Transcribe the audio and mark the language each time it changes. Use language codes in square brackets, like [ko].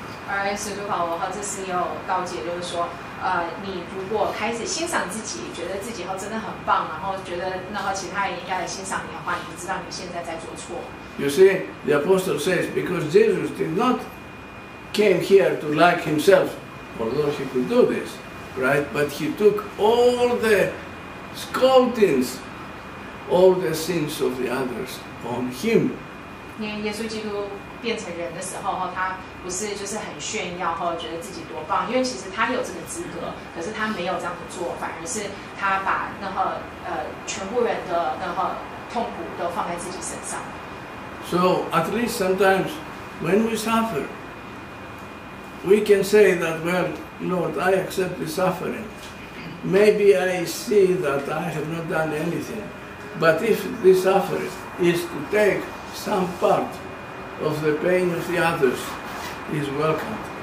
[zh] 而使徒保罗和这次也有告诫，就是说，你如果开始欣赏自己，觉得自己真的很棒，然后觉得然后其他人应该来欣赏你的话，你就知道你现在在做错。 [en] You see, the apostle says, because Jesus did not came here to like himself, although he could do this, right? But he took all the scoldings. All the sins of the others on him. [zh] 因为耶稣基督变成人的时候，他不是就是很炫耀，或觉得自己多棒，因为其实他有这个资格，可是他没有这样的做，反而是他把那个全部人的那个痛苦都放在自己身上。 [en] So at least sometimes when we suffer, we can say that, well, Lord, I accept the suffering. Maybe I see that I have not done anything. But if this suffering is to take some part of the pain of the others, is welcome.